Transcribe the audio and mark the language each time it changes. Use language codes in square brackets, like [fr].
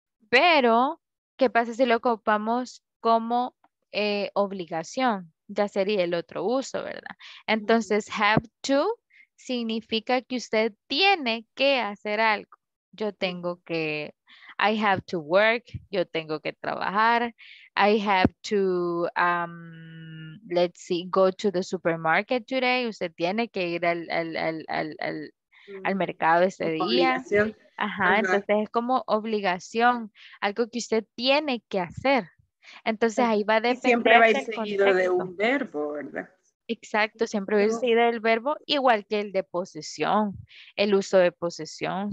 [es] Pero, ¿qué pasa si lo ocupamos como obligación? Ya sería el otro uso, ¿verdad? Entonces, have to significa que usted tiene que hacer algo. Yo tengo que, [en] I have to work, [es] yo tengo que trabajar. [en] I have to, let's see, go to the supermarket today. [es] Usted tiene que ir al mercado ese día. Ajá, entonces es como obligación, algo que usted tiene que hacer. Entonces ahí va a depender. Siempre va a ir seguido de un verbo, ¿verdad? Exacto, siempre va a ir seguido del verbo, igual que el de posesión, el uso de posesión.